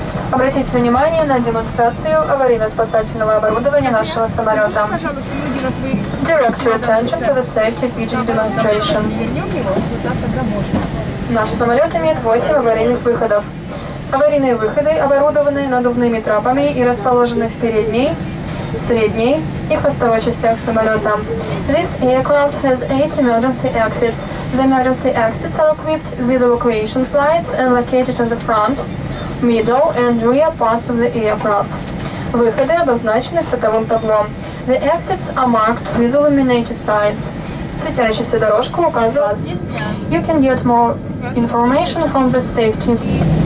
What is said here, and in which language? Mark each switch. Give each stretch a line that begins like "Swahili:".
Russian: Обратите внимание на демонстрацию аварийно-спасательного оборудования нашего самолета.
English: Direct your attention to the safety features demonstration.
Russian: Наш самолет имеет 8 аварийных выходов. Аварийные выходы оборудованы надувными трапами и расположены в передней, средней и хвостовой частях самолета.
English: This aircraft has 8 emergency exits. The emergency exits are equipped with evacuation slides and located on the front, middle and rear parts of the aircraft.
Russian: Выходы обозначены световым табло.
English: The exits are marked with illuminated signs.
Russian: Светящаяся дорожка указывает.
English: You can get more information from the safety.